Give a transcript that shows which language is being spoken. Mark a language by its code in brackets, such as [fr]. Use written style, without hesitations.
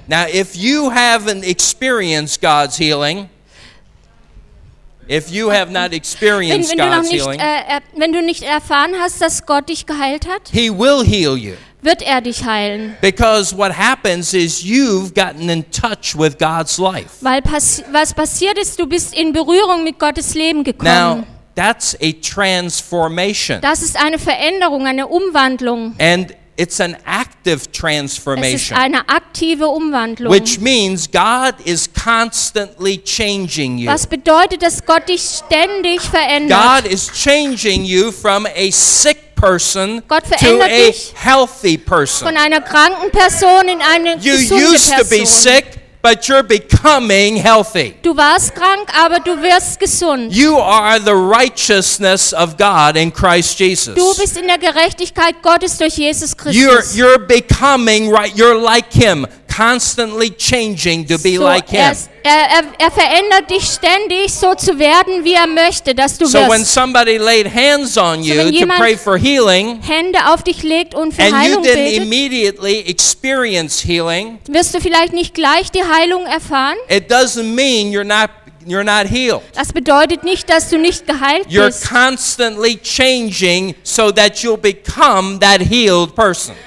[en] Now, if you haven't experienced God's healing, if you have not experienced [de] wenn [en] God's [de] du nicht, [en] healing, [de] wenn du nicht erfahren hast, dass Gott dich geheilt hat, [en] he will heal you. [de] Wird dich heilen. [en] Because what happens is you've gotten in touch with God's life. [de] Weil was passiert ist, du bist in Berührung mit Gottes Leben gekommen. [en] Now, that's a transformation. [de] Das ist eine Veränderung, eine Umwandlung. [en] And it's an active transformation. [de] Es ist eine aktive Umwandlung. [en] Which means God is constantly changing you. [de] Was bedeutet, dass Gott dich ständig verändert? [en] God is changing you from a sick person [de] Gott verändert [en] to a healthy person. [de] Von einer kranken Person in eine gesunde Person. [en] You used to be sick, but you're becoming healthy. [de] Du warst krank, aber du wirst gesund. [en] You are the righteousness of God in Christ Jesus. [de] Du bist in der Gerechtigkeit Gottes durch Jesus Christus. [en] You're becoming right. You're like Him, constantly changing to be [de] so [en] like Him. [de] Er verändert dich ständig, so zu werden, wie möchte, dass du so wirst. [en] So when somebody laid hands on you [de] so [en] to pray for healing, [de] Hände auf dich legt und für [en] and [de] Heilung [en] you didn't [de] betet, [en] immediately experience healing, [de] wirst du vielleicht nicht gleich die Heilung erfahren. [en] It doesn't mean you're not healed. [de] Das bedeutet nicht, dass du nicht geheilt bist. [en] You're constantly changing so that you'll become that healed person.